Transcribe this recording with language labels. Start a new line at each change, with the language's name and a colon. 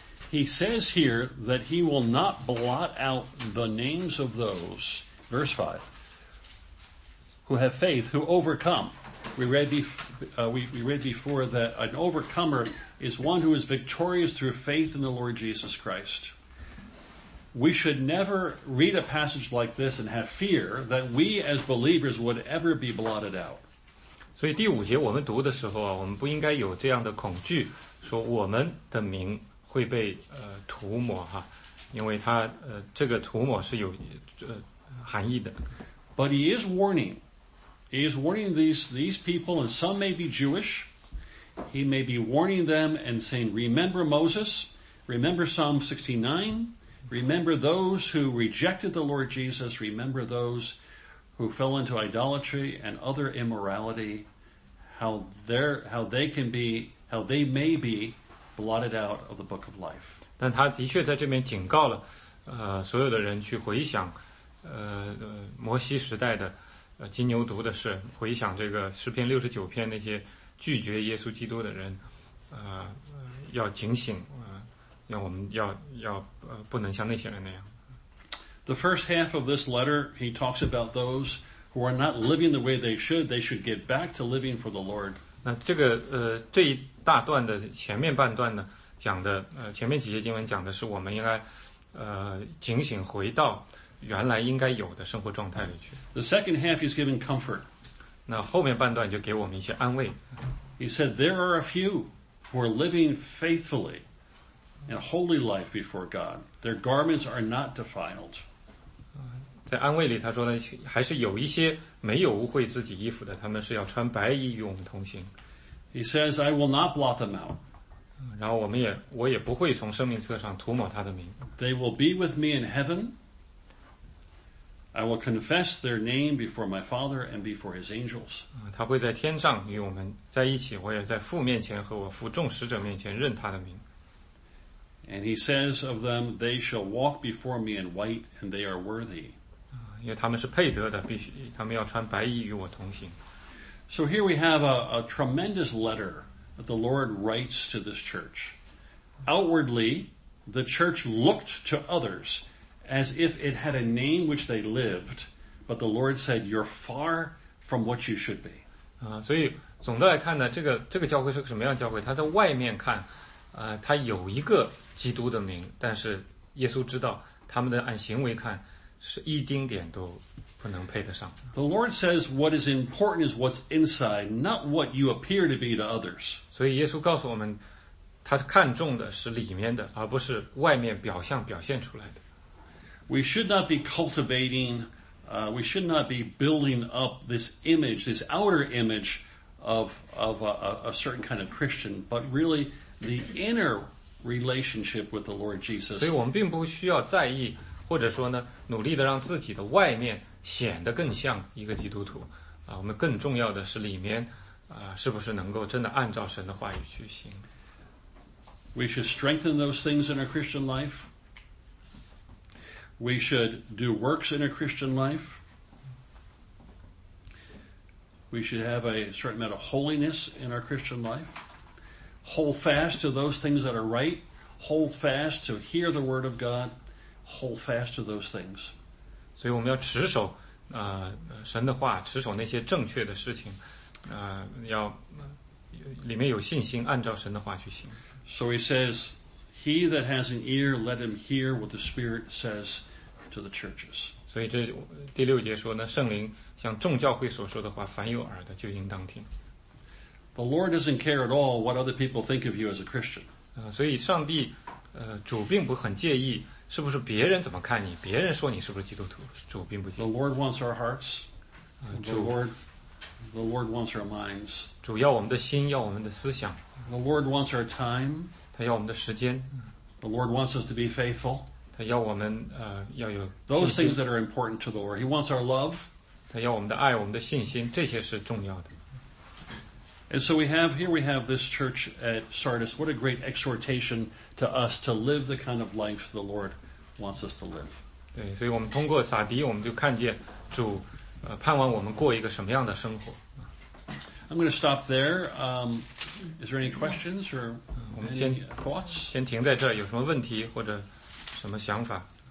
English: He says here that he will not blot out the names of those, verse 5, who have faith, who overcome. We read before that an overcomer is one who is victorious through faith in the Lord Jesus Christ. We should never read a passage like this and have fear that we as believers would ever be blotted out.
Chinese: 所以第五节我们读的时候啊，我们不应该有这样的恐惧，说我们的名会被涂抹哈，因为他这个涂抹是有含义的。
English: But he is warning. He is warning these people, and some may be Jewish. He may be warning them and saying, remember Moses, remember Psalm 69, remember those who rejected the Lord Jesus, remember those who fell into idolatry and other immorality, how they may be blotted out of the book of life.
Chinese: 但他的确在这边警告了所有的人去回想摩西时代的金牛犊的事，回想这个诗篇六十九篇那些拒绝耶稣基督的人要警醒让我们要不能像那些人那样。
English: The first half of this letter, he talks about those who are not living the way they should get back to living for the Lord.
Chinese: 那这个这一大段的前面半段呢讲的前面几节经文讲的是我们应该警醒回到原来应该有的生活状态里去。
English: The second half is giving comfort.
Chinese: 那后面半段就给我们一些安慰。
English: He said, there are a few who are living faithfully in a holy life before God. Their garments are not defiled.
Chinese: 在安慰里他说呢还是有一些没有污秽自己衣服的，他们是要穿白衣与我们同行。
English: He says, I will not blot them out.
Chinese: 然后我也不会从生命册上涂抹他的名。
English: They will be with me in heaven. I will confess their name before my Father and before his angels.
Chinese: 他会在天上与我们在一起，我也在父面前和我父众使者面前认他的名。
English: And he says of them, they shall walk before me in white, and they are worthy.
Chinese: 因为他们是配得的，必须他们要穿白衣与我同行。
English: So here we have a tremendous letter that the Lord writes to this church. Outwardly, the church looked to others as if it had a name which they lived, but the Lord said, you're far from what you should be.
Chinese: 所以总的来看呢，这个教会是个什么样的教会？它在外面看，它有一个基督的名，但是耶稣知道他们的按行为看是一丁点都不能配得上。
English: The Lord says what is important is what's inside, not what you appear to be to others.
Chinese: 所以耶稣告诉我们，他看重的是里面的，而不是外面表象表现出来的。
English: We should not be cultivating, we should not be building up this image, this outer image of a certain kind of Christian, but really the inner relationship with the Lord Jesus.
Chinese: 所以我们并不需要在意或者说呢，努力的让自己的外面显得更像一个基督徒，我们更重要的是里面，是不是能够真的按照神的话语去行。
English: We should strengthen those things in our Christian life. We should do works in our Christian life. We should have a certain amount of holiness in our Christian life. Hold fast to those things that are right. Hold fast to hear the word of God. Hold fast to those things.
Chinese: 所以我们要持守神的话，持守那些正确的事情，要里面有信心，按照神的话去行。
English: So he says, he that has an ear, let him hear what the Spirit says to the churches.
Chinese: 所以这第六节说呢，圣灵像众教会所说的话，凡有耳的就应当听。
English: The Lord doesn't care at all what other people think of you as a Christian.
Chinese: 所以上帝主并不很介意是不是别人怎么看你，别人说你是不是基督徒，主并不介意。
English: The Lord wants our hearts. The Lord wants our minds.
Chinese: 主要我们的心，要我们的思想。
English: The Lord wants our time.
Chinese: 他要我们的时间。
English: The Lord wants us to be faithful.
Chinese: 他要我们要有信心。
English: Those things that are important to the Lord. He wants our love.
Chinese: 他要我们的爱，我们的信心，这些是重要的。
English: And so we have, here we have this church at Sardis. What a great exhortation to us to live the kind of life the Lord wants us to live.
Chinese: 对，所以我们通过撒迪，我们就看见主，盼望我们过一个什么样的生活。
English: I'm going to stop there. Is there any questions or any thoughts?
Chinese: 先停在这儿，有什么问题或者什么想法？